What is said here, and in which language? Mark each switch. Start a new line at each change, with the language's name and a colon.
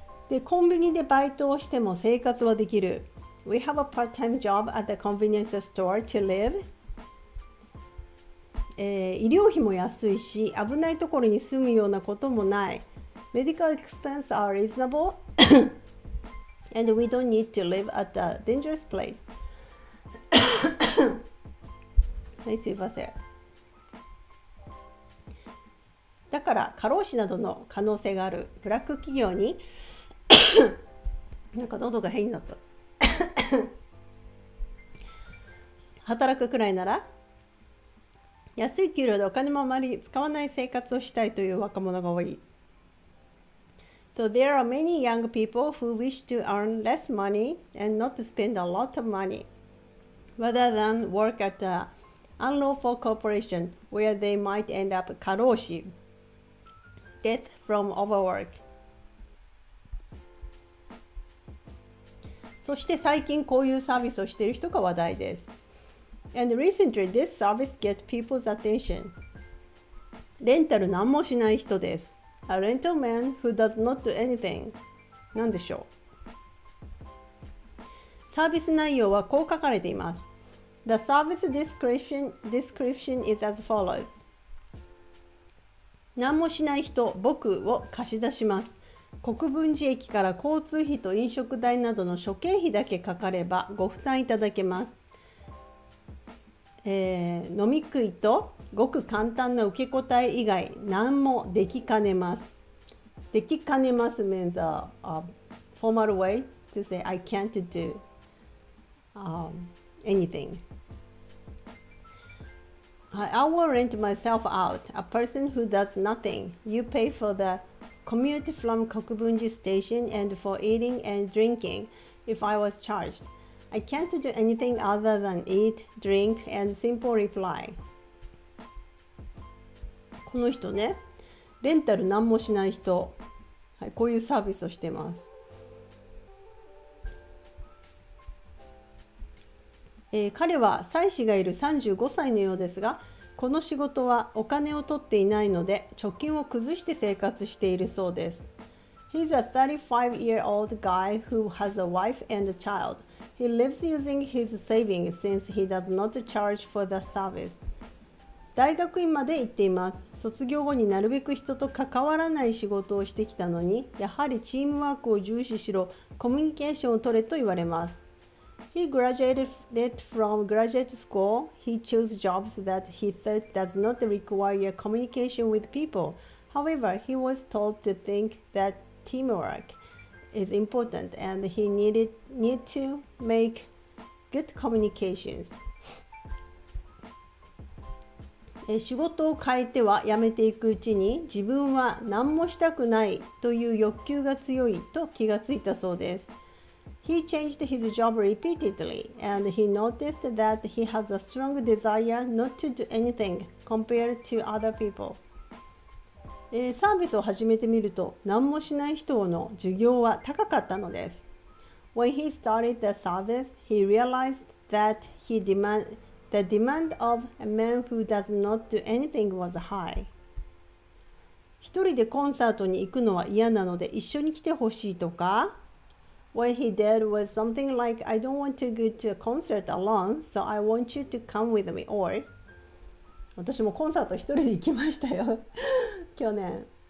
Japanese: で、コンビニでバイトをしても生活はできる。
English: We have a part-time job at the convenience store to live.
Japanese: 医療費も安いし、危ないところに住むようなこともない。
English: Medical expenses are reasonable. And we don't need to live at a dangerous place.
Japanese: すいません。だから過労死などの可能性があるブラック企業に、なんか喉が変になった働くくらいなら安い給料でお金もあまり使わない生活をしたいという若者が多い。
English: So there are many young people who wish to earn less money and not to spend a lot of money, rather than work at an unlawful corporation where they might end up 過労死, death from overwork.
Japanese: そして最近こういうサービスをしている人が話題です。
English: And recently this service gets people's attention.
Japanese: レンタル何もしない人です。
English: A rental man who does not do anything.
Japanese: 何でしょう。サービス内容はこう書かれています。
English: The service description is as follows.
Japanese: 何もしない人、僕を貸し出します。国分寺駅から交通費と飲食代などの諸経費だけかかればご負担いただけます。飲み食いとごく簡単な受け答え以外何もできかねます。できかねます
English: means a formal way to say I can't do anything. I will rent myself out, a person who does nothing. You pay for the commute from Kokubunji station and for eating and drinking if I was charged. I can't do anything other than eat, drink and simple reply.
Japanese: この人ね、レンタル何もしない人、はい、こういうサービスをしてます。彼は妻子がいる35歳のようですが、この仕事はお金を取っていないので貯金を崩して生活しているそうです。
English: He's a 35 year old guy who has a wife and a child. He lives using his savings since he does not charge for the service.
Japanese: 大学院まで行っています。卒業後になるべく人と関わらない仕事をしてきたのに、やはりチームワークを重視しろ、コミュニケーションを取れと言われます。
English: He graduated from graduate school. He chose jobs that he thought does not require communication with people. However, he was told to think that teamwork is important and he need to make good communications.
Japanese: 仕事を変えては辞めていくうちに、自分は何もしたくないという欲求が強いと気がついたそうです。
English: He changed his job repeatedly, and he noticed that he has a strong desire not to do anything compared to other people.
Japanese: サービスを始めてみると、何もしない人の授業は高かったのです。
English: When he started the service, he realized that the demand of a man who does not do anything was high.
Japanese: 一人でコンサートに行くのは嫌なので、一緒に来てほしいとか、
English: What he did was something like, I don't want to go to a concert alone, so I want you to come with me, or
Japanese: 私もコンサート一人で行きましたよ去年、